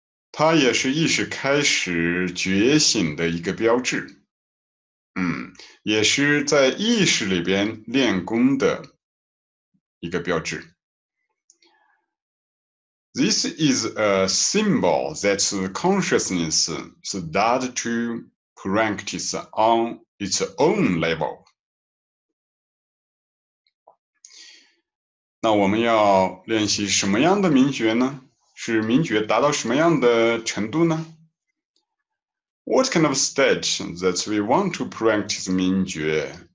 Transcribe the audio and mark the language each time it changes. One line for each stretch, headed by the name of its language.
Chinese: 它也是意识开始觉醒的一个标志，也是在意识里边练功的一个标志。
English: This is a symbol that consciousness start to practice on its own level.
Chinese: 那我们要练习什么样的明觉呢？是明觉达到什么样的程度呢？
English: What kind of state that we want to practice 明觉？